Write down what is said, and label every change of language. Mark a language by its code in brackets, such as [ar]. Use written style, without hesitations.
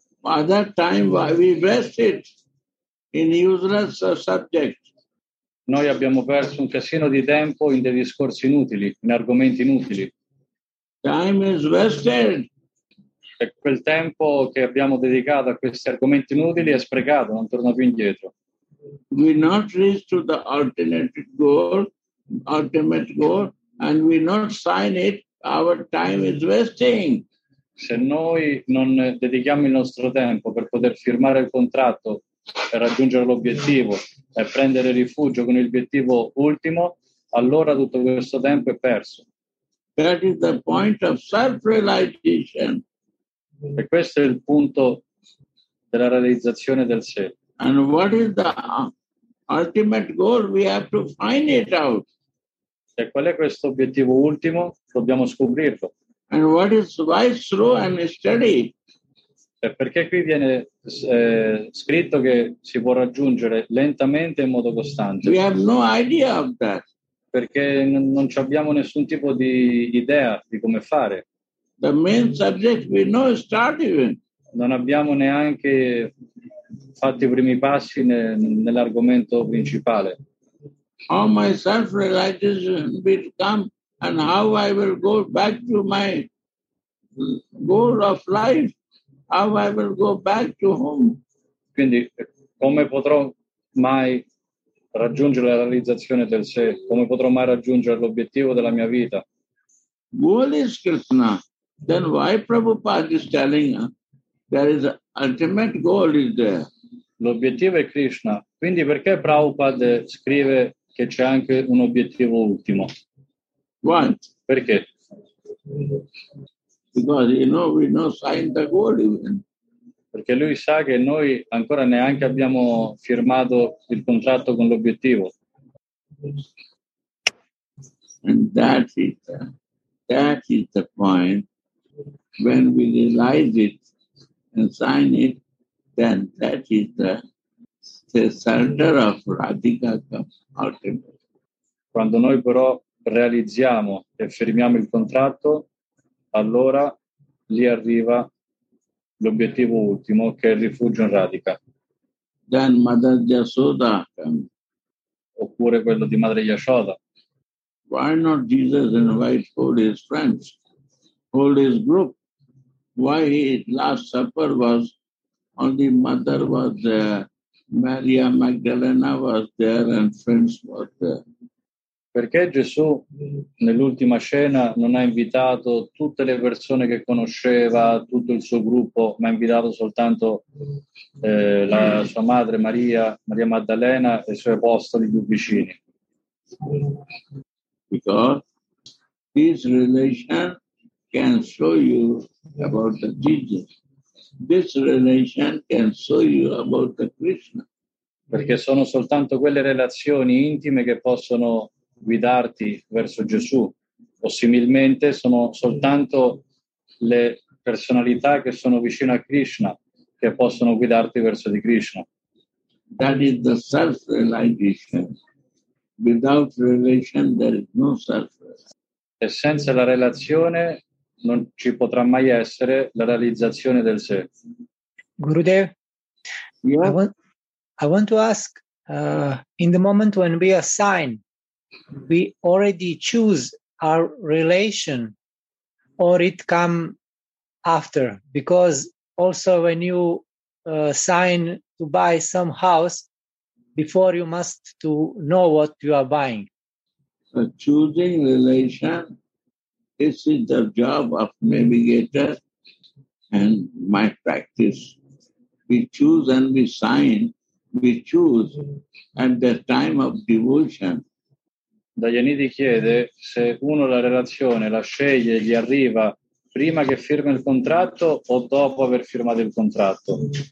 [en] At that time we waste it in useless subjects. [it] noi abbiamo perso un casino di tempo in dei discorsi inutili, in argomenti inutili. [en] Time is wasted. [it] E quel tempo che abbiamo dedicato a questi argomenti inutili è sprecato, non torna più indietro. [en] We not reach to the ultimate goal, and we not sign it, our time is wasting. [it] Se noi non dedichiamo il nostro tempo per poter firmare il contratto per raggiungere l'obiettivo e prendere rifugio con l'obiettivo ultimo, allora tutto questo tempo è perso. [en] That is the point of self-realization. [it] E questo è il punto della realizzazione del sé. [en] And what is the ultimate goal? We have to find it out. [it] E qual è questo obiettivo ultimo? Dobbiamo scoprirlo. [en] And what is wise through and study? [it] E perché qui viene scritto che si può raggiungere lentamente in modo costante? [en] We have no idea of that. [it] Perché non ci abbiamo nessun tipo di idea di come fare. [en] The main subject we know is starting. [it] Non abbiamo neanche fatto i primi passi nell'argomento principale. [en] How my self-realization will come and how I will go back to my goal of life. How I will go back to home. [it] Quindi, come potrò mai raggiungere la realizzazione del sé? Come potrò mai raggiungere l'obiettivo della mia vita? [en] Goal is Krishna. Then why Prabhupada is telling us there is ultimate goal is there? [it] L'obiettivo è Krishna. Quindi perché Prabhupada scrive che c'è anche un obiettivo ultimo? [en] Why? [it] Perché? [en] Because you know we not signed the goal even. [it] Perché lui sa che noi ancora neanche abbiamo firmato il contratto con l'obiettivo. [en] And that is the point when we realize it and sign it, then that is the center of Radhika ultimate. [it] Quando noi però realizziamo e firmiamo il contratto, allora lì arriva l'obiettivo ultimo, che è il rifugio in Radhika. [en] Then Mother Yashoda. [it] Oppure quello di Madre Yashoda. [en] Why not Jesus invite all his friends, all his group? Why his last supper was only Mother was there, Maria Magdalena was there and friends were there? [it] Perché Gesù nell'ultima cena non ha invitato tutte le persone che conosceva, tutto il suo gruppo, ma ha invitato soltanto la sua madre Maria Maddalena e i suoi apostoli più vicini? [en] Because this relation can show you about the Jesus. This relation can show you about the Krishna. [it] Perché sono soltanto quelle relazioni intime che possono guidarti verso Gesù, o similmente sono soltanto le personalità che sono vicine a Krishna che possono guidarti verso di Krishna. [en] That is the self-realization. Without relation there is no self. [it] E senza la relazione non ci potrà mai essere la realizzazione del sé. [en] Gurudev, yeah? I want to ask in the moment when we assign, we already choose our relation, or it come after? Because also when you sign to buy some house, before you must to know what you are buying. A choosing relation, this is the job of navigator and my practice. We choose and we sign, we choose at the time of devotion. [it] Dayanidhi chiede se uno la relazione la sceglie, gli arriva prima che firma il contratto o dopo aver firmato il contratto.